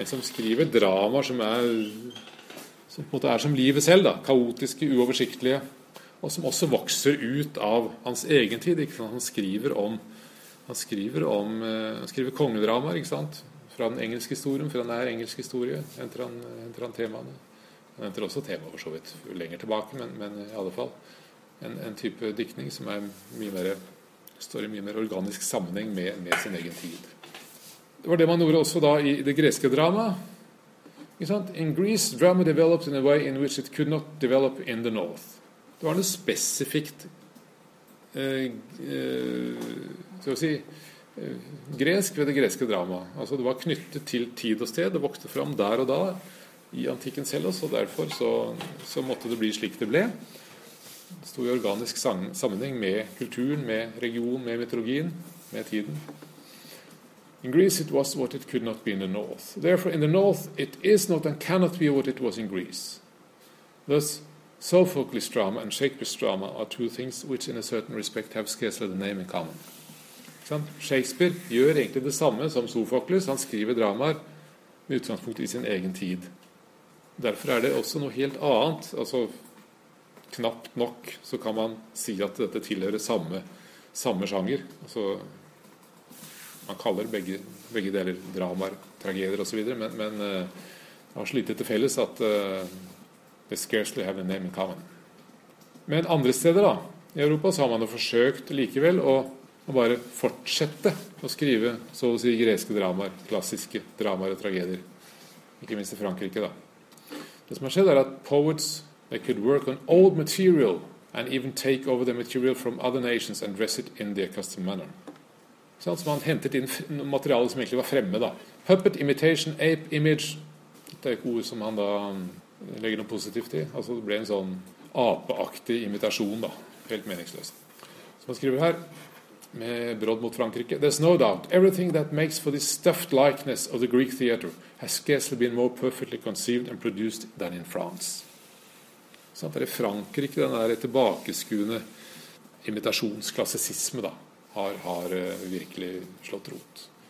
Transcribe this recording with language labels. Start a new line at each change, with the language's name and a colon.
Norwegian: En som skriver drama som som på en måte som livet selv, da. Kaotiske, uoversiktlige, og som også vokser ut av hans egen tid. Ikke sant? Han skriver kongedramaer, ikke sant? Fra den engelske historien, fra den nære engelske historien, henter han temaene. Han henter også temaer for så vidt lenger tilbake, men i alle fall en type diktning som står i mye mer organisk sammenheng med sin egen tid. Det var det man gjorde også da i det greske drama. Ikke sant?
English: In Greece, drama developed in a way in which it could not develop in the north.
Norwegian: Det var noe spesifikt gresk ved det greske drama. Altså det var knyttet til tid og sted, det vokste fram der og da i antikken selv, og derfor så måtte det bli slik det ble. Det stod i organisk sammenheng med kulturen, med regionen, med mytologien, med tiden.
English: In Greece it was what it could not be in the north. Therefore in the north it is not and cannot be what it was in Greece. Thus, Sophocles drama and Shakespeare's drama are two things which in a certain respect have scarcely the name in common.
Norwegian: Shakespeare gjør egentlig det samme som Sophocles. Han skriver dramaer med utgangspunkt i sin egen tid. Derfor det også noe helt annet. Altså, knapt nok så kan man si at dette tilhører samme sjanger. Altså, man kaller begge deler dramaer, tragedier og så videre, men det har slitet til felles at
English: they scarcely have a name in common.
Norwegian: Men andre steder da, i Europa, så har man jo forsøkt likevel å bare fortsette å skrive, så å si, greske dramaer, klassiske dramaer og tragedier, ikke minst i Frankrike da. Det som har skjedd at
English: poets, they could work on old material and even take over the material from other nations and dress it in their custom manner.
Norwegian: Sånn som han hentet inn materialet som egentlig var fremme da. Puppet, imitation, ape, image, det ikke ord som han da legger noe positivt i. Altså det ble en sånn apeaktig imitasjon da, helt meningsløst. Så man skriver her, med brodd mot Frankrike.
English: There's no doubt, everything that makes for this stuffed likeness of the Greek theater has scarcely been more perfectly conceived and produced than in France.
Norwegian: Sånn, det Frankrike, den der tilbakeskuende imitasjonsklassisisme da, har virkelig slått rot.